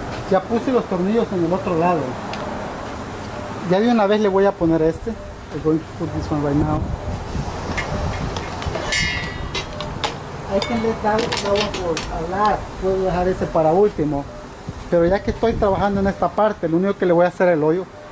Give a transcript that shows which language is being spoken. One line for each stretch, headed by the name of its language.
Spanish: Ya puse los tornillos en el otro lado. Ya de una vez le voy a poner este.
English: I'm going to put this one right now. I can let that one for a lot.
Spanish: Puedo dejar ese para último. Pero ya que estoy trabajando en esta parte, lo único que le voy a hacer es el hoyo.